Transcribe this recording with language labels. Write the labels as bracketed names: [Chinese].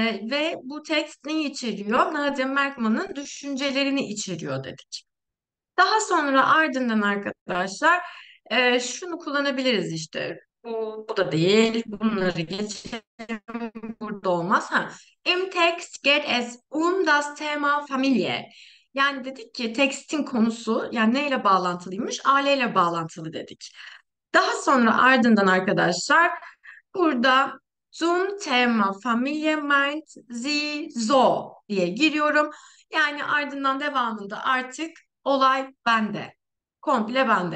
[Turkish] Ve bu text ne içeriyor? Nadia Merkman'ın düşüncelerini içeriyor dedik. Daha sonra ardından arkadaşlar şunu kullanabiliriz işte. Bu da değil. Bunları geçelim. Burada olmaz. Ha. [German] Im Text geht es das Thema Familie. [Turkish] Yani dedik ki tekstin konusu yani neyle bağlantılıymış? Aileyle bağlantılı dedik. Daha sonra ardından arkadaşlar burada [German] Zum Thema Familie meint sie so [Turkish] diye giriyorum. Yani ardından devamında artık olay bende. Komple bende.